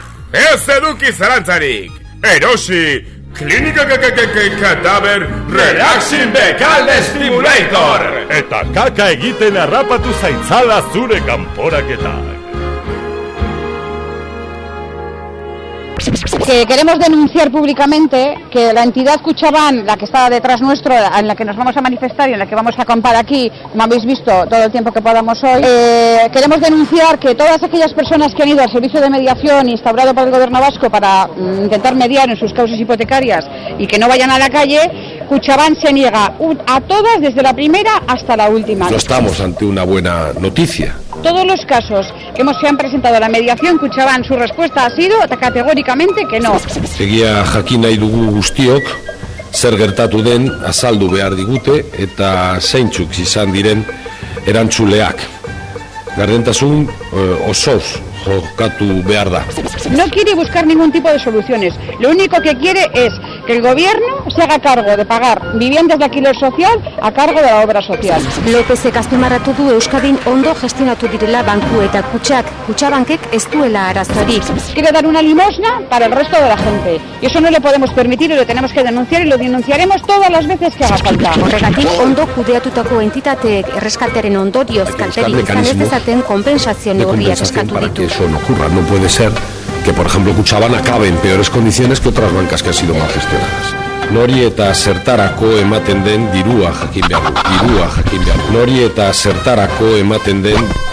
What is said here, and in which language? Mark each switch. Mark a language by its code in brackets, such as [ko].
[eu] Ez eduki zarantzarik! Erosi, Klinika Kadaver Relaxing Bekalde Stimulator! Eta kaka egiten harrapatu zaintzala zure kanporaketak. [es] Queremos denunciar públicamente que la entidad Kutxabank, la que está detrás nuestro, en la que nos vamos a manifestar y en la que vamos a acampar aquí, como habéis visto todo el tiempo que podamos hoy, queremos denunciar que todas aquellas personas que han ido al servicio de mediación instaurado por el gobierno vasco para intentar mediar en sus causas hipotecarias y que no vayan a la calle, Kutxabank se niega a todas desde la primera hasta la última. No estamos ante una buena noticia. Todos los casos que hemos se han presentado a la mediación Kutxabank, su respuesta ha sido categóricamente que no. [eu] Egia jakin nahi dugu guztiok zer gertatu den azaldu behar digute eta zeintzuk izan diren erantzuleak. Gardentasun osoz jokatu behar da. [es] No quiere buscar ningún tipo de soluciones. Lo único que quiere es que el gobierno se haga cargo de pagar viviendas de alquiler social a cargo de la obra social. [eu] Lópezek azpimarratu du Euskadin ondo gestionatu direla banku eta kutxak, Kutxabankek ez duela arazorik. [es] Quiere dar una limosna para el resto de la gente. Y eso no le podemos permitir y lo tenemos que denunciar y lo denunciaremos todas las veces que haga falta. [eu] Horregatik ondo kudeatutako entitateek erreskateren ondorioz kalterik izan ez ezaten kompensazio neurriak eskatu ditu. [es] Eso no ocurra, no puede ser que por ejemplo Kutxabank acabe en peores condiciones que otras bancas que han sido mal gestionadas. [eu] Nori eta zertarako ematen den dirua jakin behar du. Dirua jakin behar du. Nori eta zertarako ematen den.